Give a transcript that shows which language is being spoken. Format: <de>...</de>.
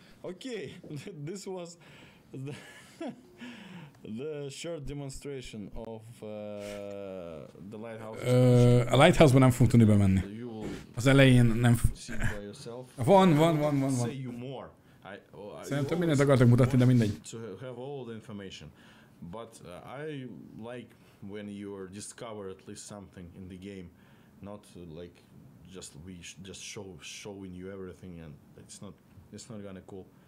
<en>Okay, this was the, the short demonstration of the lighthouse.</en> <hu>A lighthouse-ban nem fogunk tudni bemenni. Az elején nem... Van.</hu> <en>Say you more.</en> <hu>Szerintem mindent akartak mutatni, de mindegy.</hu> <en>To have all the information. But I like when you discover at least something in the game, not like just we just showing you everything, and it's not gonna cool.</en>